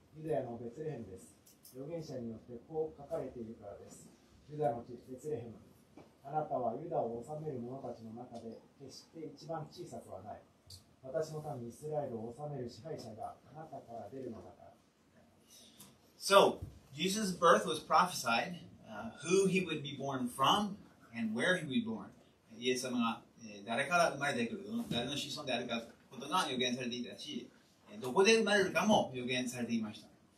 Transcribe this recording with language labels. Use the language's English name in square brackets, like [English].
[Japanese] ユダヤのベツレヘムです。預言者によってこう書かれているからです。ユダヤの地、ベツレヘム。あなたはユダを治める者たちの中で決して一番小さくはない。私のためにイスラエルを治める支配者があなたから出るのだから。 [English] So, Jesus' birth was prophesied, who he would be born from and where he would be born. [Japanese] イエス様が、誰から生まれてくる、誰の子孫であるかことが預言されていたし、どこで生まれるかも予言されていました。